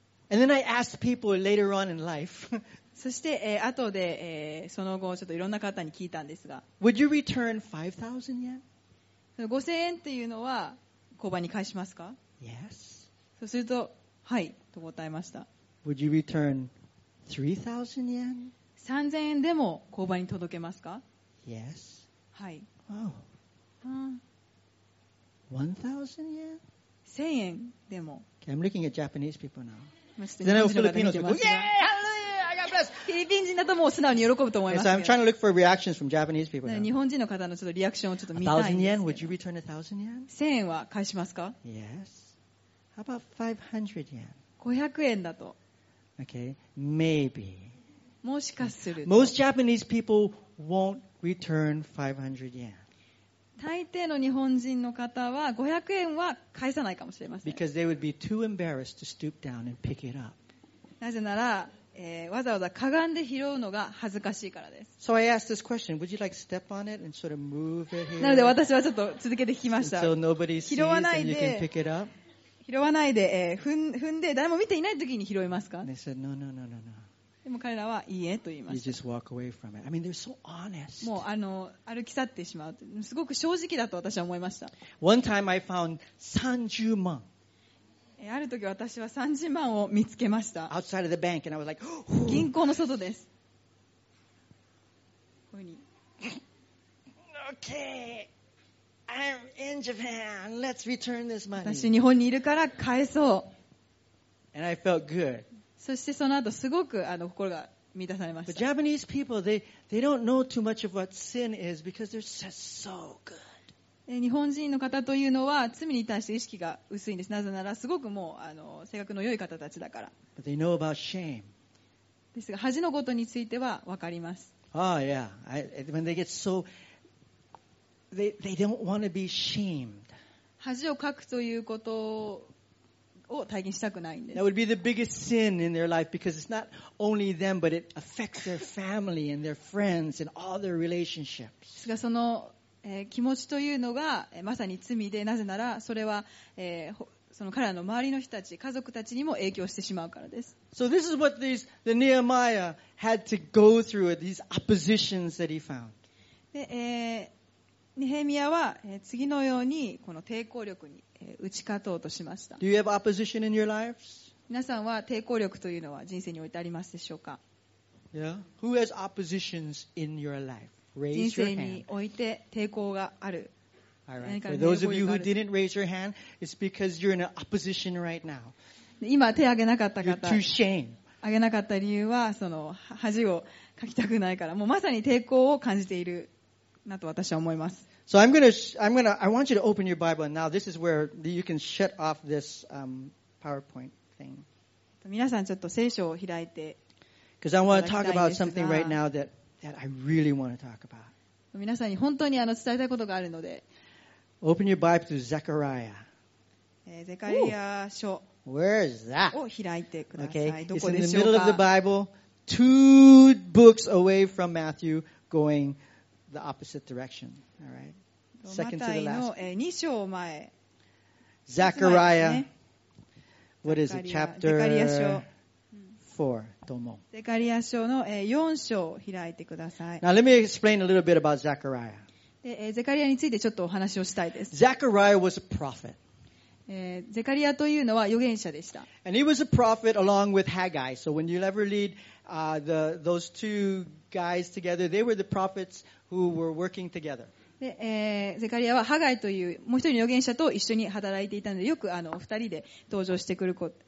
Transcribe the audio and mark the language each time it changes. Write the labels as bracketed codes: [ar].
[en] And then I asked people later on in life. [ja] そして、後で、その後、ちょっといろんな方に聞いたんですが。 [en] Would you return 5,000 yen? [ja] 5,000 円っていうのは、交番に返しますか？ [en] Yes. [ja] そうすると、はい、と答えました。 [en] Would you return 3,000 yen? [ja] 3,000 円でも交番に届けますか？ [en] Yes. [ja] はい。 [en] Oh. 1,000 yen? [ja] 1,000 円でも。 [en] Okay, I'm looking at Japanese people now. Then all Filipinos go, Yay! Hallelujah! I got blessed! [ja] フィリピン人だともう素直に喜ぶと思います。 [en] So I'm trying to look for reactions from Japanese people now. [ja] 日本人の方のちょっとリアクションをちょっと見たいんですけど。 [en] 1,000 yen? Would you return 1,000 yen? [ja] 1,000 円は返しますか? [en] Yes. How about 500 yen? [ja] 500円だと。 [en] Okay. Maybe. [ja] もしかすると。 [en] Most Japanese people won't Return 500 yen. [ja] 大抵の日本人の方は500円は返さないかもしれません。 [en] Because they would be too embarrassed to stoop down and pick it up. [ja] なぜなら、わざわざかがんで拾うのが恥ずかしいからです。 [en] So I asked this question. Would you like step on it and sort of move it here? [ja] なので私はちょっと続けて聞きました。 [en] Until nobody sees and you can pick it up. [ja] 拾わないで、踏んで誰も見ていない時に拾えますか [en] ？They said no, no, no, no, no. [ja] でも彼らはいいえと言いました。 [en] You just walk away from it. I mean, they're so honest. [ja] もうあの歩き去ってしまう。すごく正直だと私は思いました。 [en] One time I found 30万。 [ja] ある時私は30万を見つけました。 [en] Outside of the bank, and I was like, [ja] 銀行の外です。こういうふうに。 [en] Okay, I'm in Japan. Let's return this money. [ja] 私日本にいるから返そう。 [en] And I felt good. [ja] そしてその後すごくあの心が満たされました。 [en] Japanese people, they don't know too much of what sin is because they're just so good. [ja] 日本人の方というのは罪に対して意識が薄いんです。なぜならすごくもうあの性格の良い方たちだから。 [en] But they know about shame. [ja] ですが恥のことについては分かります。 [en] Oh, yeah. When they get so, they don't want to be shamed. [ja] 恥をかくということをを体験したくないんです。 [en] That would be the biggest sin in their life because it's not only them, but it affects their family and their friends and all their relationships. [ja] ですがその、気持ちというのが、まさに罪で、なぜならそれは、その彼らの周りの人たち、家族たちにも影響してしまうからです。 [en] So this is what the Nehemiah had to go through with these oppositions that he found. [ja] で、ネヘミヤは、次のようにこの抵抗力に。打ち勝とうとしました。 [en] Do you have opposition in your lives? [ja] 皆さんは抵抗力というのは人生においてありますでしょうか [en] Yeah. Who has oppositions in your life? Raise your hand. [ja] 人生において抵抗がある。 [en] All right. For those of you who didn't raise your hand, it's because you're in an opposition right now. [ja] 今手を挙げなかった方。 [en] You're too shame. [ja] 挙げなかった理由はその恥をかきたくないから、もうまさに抵抗を感じているなと私は思います。 [en] So I want you to open your Bible now. This is where you can shut off this PowerPoint thing. [ja] 皆さんちょっと聖書を開いていただきたいんですが。 [en] Because I want to talk about something right now that I really want to talk about. [ja] 皆さんに本当にあの伝えたいことがあるので。 [en] Open your Bible to Zechariah. [ja] ゼカリア書。 [en] Where is that? [ja] を開いてください。 [en] Okay. [ja] どこでしょうか? [en] It's in the middle of the Bible, two books away from Matthew, going. The opposite direction. All right. Second to the last. [ja] 2章前。 [en] Zechariah. What is it? Chapter 4. [ja] どうも。ゼカリア書の4章を開いてください。 [en] Now let me explain a little bit about Zechariah. [ja] ゼカリアについてちょっとお話をしたいです。 [en] Zechariah was a prophet. [ja] ゼカリアというのは預言者でした。 [en] And he was a prophet along with Haggai. So when you ever read those two guys together, they were the prophets. Who were working together. [ja] で、ゼカリアはハガイというもう一人の預言者と一緒に働いていたのでよくあの二人で登場してくるこ